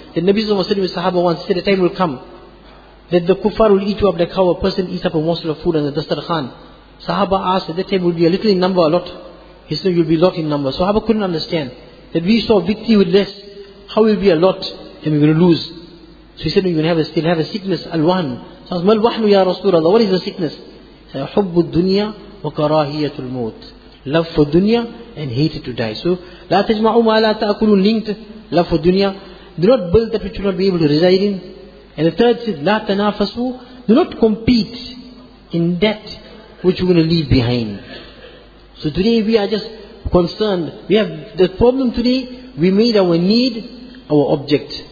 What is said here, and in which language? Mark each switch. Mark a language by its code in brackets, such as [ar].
[en] The Nabi Sallallahu Alaihi Wasallam Sahaba once said, a time will come that the kuffar will eat you up like how a person eats up a morsel of food on the dastarkhan. Sahaba asked, at that time will be a little in number, a lot. He said, you'll be a lot in number. Sahaba couldn't understand that we saw victory with less. How will be a lot and we're going to lose? So he said, we're going to still have a sickness, al-wahn. So I said, [ar] mal wahnu ya Rasulullah, [en] what is the sickness? [ar] He said, حُبُّ الدُّنْيَا وَكَرَاهِيَةُ الْمُوتِ. [en] Love for dunya and hate to die. So, [ar] لا تَجْمَعُوا مَا لَا تَأْكُلُونَ [en] linked, love for dunya. Do not build that which you will not be able to reside in. And the third says, [ar] لا تَنَافَسُوا, [en] do not compete in that which you're going to leave behind. So today we are just concerned. We have the problem today, we made our need our object.